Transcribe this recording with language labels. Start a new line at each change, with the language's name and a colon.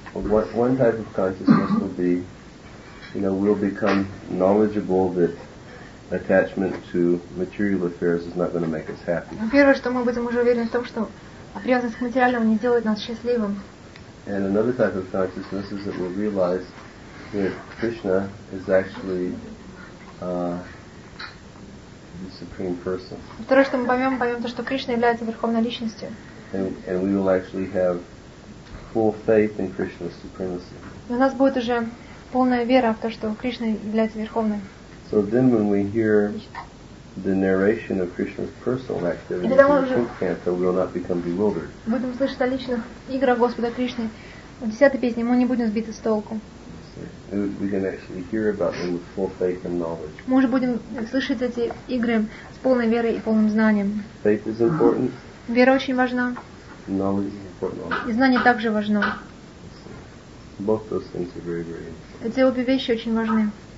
English: One type of consciousness will be. You know, we'll become knowledgeable that attachment to material affairs is not going to make us happy.
Russian: Первое, что мы будем уже уверены в том, что привязанность к материальному не делает нас счастливым.
English: And another type of consciousness is that we'll realize that Krishna is actually the supreme person.
Russian: Второе, что мы поймем то, что Кришна является верховной личностью.
English: And we will actually have full faith in Krishna's supremacy.
Russian: И у нас будет уже полная вера в то, что Кришна является верховным.
English: So then when we hear the narration of Krishna's personal activities in the 10th canto, we will not become bewildered.
Russian: Будем слышать о личных играх Господа Кришны в 10-й песне, мы не будем сбиты с толку.
English: We can actually hear about them with full faith and knowledge.
Russian: Мы уже будем слышать эти игры с полной верой и полным знанием.
English: Faith is important.
Russian: Вера очень важна.
English: Knowledge is important.
Russian: И знание также важно.
English: Both those things are very, very important.
Russian: Эти обе вещи очень важны.